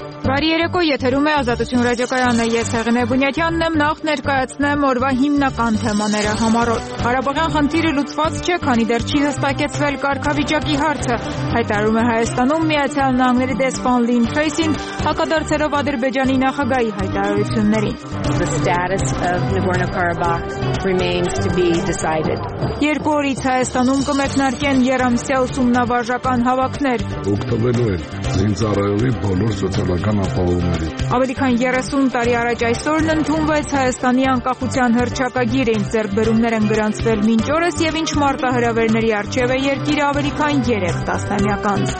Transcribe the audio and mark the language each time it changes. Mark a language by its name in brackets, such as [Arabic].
[Armenian] Համարի երեկո եթերում է Ազատություն ռադիոկայանը, ես Սեղինե Բունյատյանն եմ, նախ ներկայացնեմ օրվա հիմնական թեմաները համարոտ։ Ղարաբաղյան խնդիրը լուծված չէ, քանի դեռ չի հստակեցվել կարգավիճակի հարցը, հայտարարում է Հայաստանում Միացյալ Նահանգների դեսպան Լին Փրեյսին, հակադարձելով Ադրբեջանի նախագահի հայտարարություններին։ [English] The status of Nagorno-Karabakh remains to be decided. [Armenian] Երկու օրից Հայաստանում կմեկնարկեն երամսյա ուսումնավարժական հավաքներ։ Օկտոբերին Զինծառայողի բոլոր սոցիալական ապահովումների։ Ավելի քան 30 տարի առաջ այսօրն ընդունվեց Հայաստանի անկախության հռչակագիրը, ինչ ձեռքբերումներ են գրանցվել մինչ օրս և ինչ մարտահրավերների առջև է երկիրը ավելի քան 3 տասնամյակից։